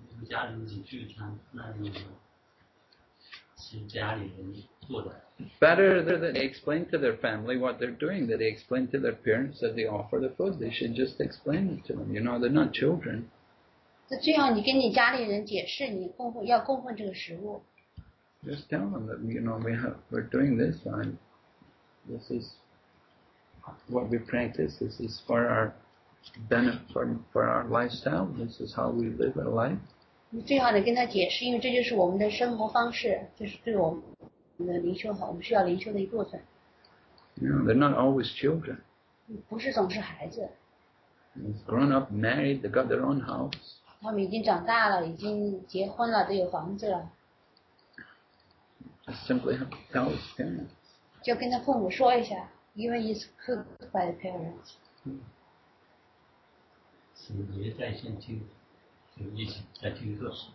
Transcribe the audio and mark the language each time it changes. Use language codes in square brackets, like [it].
[zh] 家人一起聚餐，那就是家里人做的。 [en] Better that they explain to their family what they're doing. That they explain to their parents that they offer the food. They should just explain it to them. You know, they're not children. [zh] 最好你跟你家里人解释，你供奉要供奉这个食物。 [en] Just tell them that, you know, we're doing this, and this is what we practice, this is for our benefit, for our lifestyle, this is how we live our life. [zh] 你最好得跟他解释，因为这就是我们的生活方式，就是对我们的灵修好，我们需要灵修的一部分。 [en] You know, they're not always children. [zh] 不是总是孩子。 [en] They've grown up, married, they got their own house. [zh] 他们已经长大了，已经结婚了，都有房子了。 [en] Just simply have to tell his parents. [zh] 就跟他父母说一下 [en] even if it's cooked by the parents. [zh] 是也在线听，就一起在听课。